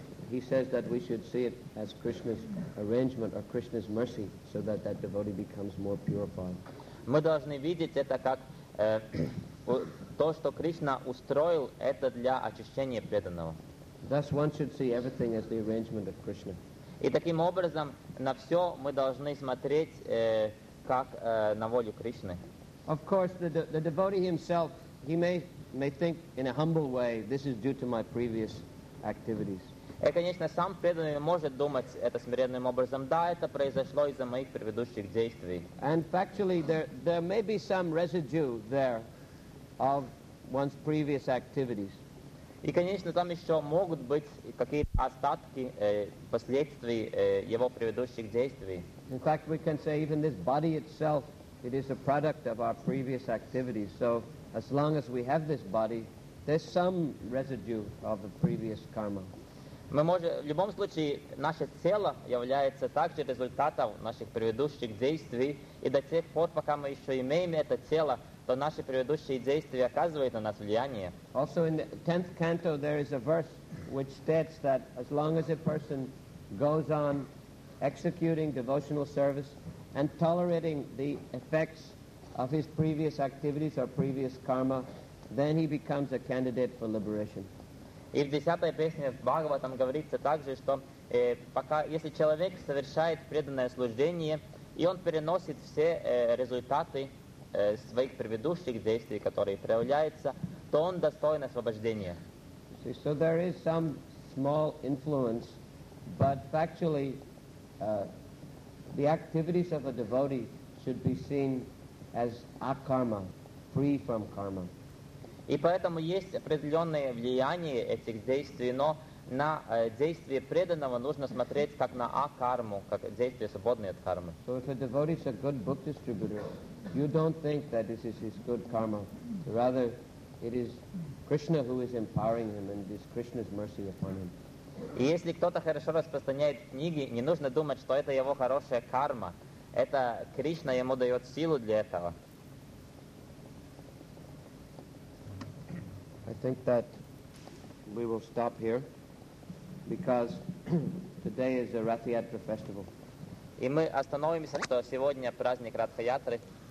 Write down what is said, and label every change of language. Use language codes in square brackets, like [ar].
[en] He says that we should see it as Krishna's arrangement or Krishna's mercy so that that devotee becomes more purified. [ru] Мы должны видеть это как то, что Кришна устроил, это для очищения преданного. [en] Thus one should see everything as the arrangement of Krishna. [ru] И таким образом на все мы должны смотреть как на волю Кришны. [en] Of course, the devotee himself, he may think in a humble way, this is due to my previous activities. [ru] И, конечно, сам преданный может думать это смиренным образом. Да, это произошло из-за моих предыдущих действий. [en] And factually, there may be some residue there of one's previous activities. [ru] И, конечно, там еще могут быть какие-то остатки последствий его предыдущих действий. [en] In fact, we can say even this body itself, it is a product of our previous activities. So, as long as we have this body, there's some residue of the previous karma. [ru] Мы можем, в любом случае, наше тело является также результатом наших предыдущих действий, и до тех пор, пока мы еще имеем это тело, то наши предыдущие действия оказывают на нас влияние. [en] Also in the 10th canto there is a verse which states that as long as a person goes on executing devotional service and tolerating the effects of his previous activities or previous karma, then he becomes a candidate for liberation. [ru] И в 10-й песне Бхагаватам говорится также, что пока, если человек совершает преданное служение, и он переносит все результаты своих предыдущих действий, которые проявляются, то он достоин освобождения. [en] See, so there is some small influence, but factually, the activities of a devotee should be seen as akarma, free from karma. [ru] И поэтому есть определенное влияние этих действий, но на действие преданного нужно смотреть как на акарму, как действие свободное от кармы. [en] So if a devotee is a good book distributor, you don't think that this is his good karma. Rather, it is Krishna who is empowering him and it is Krishna's mercy upon him. [ru] И если кто-то хорошо распространяет книги, не нужно думать, что это его хорошая карма. Это Кришна ему дает силу для этого. [en] I think that we will stop here because today is the Ratha Yatra festival. [ru] И мы остановимся, что сегодня праздник Ратха Ятры.